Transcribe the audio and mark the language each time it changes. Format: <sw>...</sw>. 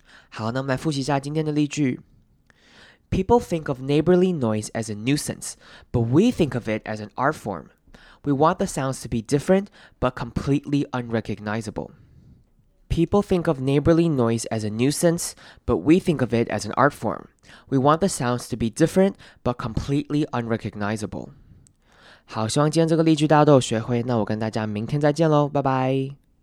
<zh>好，那我们来复习一下今天的例句。</zh> <en>People think of neighborly noise as a nuisance, but we think of it as an art form. We want the sounds to be different, but completely unrecognizable. People think of neighborly noise as a nuisance, but we think of it as an art form. We want the sounds to be different, but completely unrecognizable.</en> <zh>好，希望今天这个例句大家都有学会。那我跟大家明天再见咯，拜拜。</zh>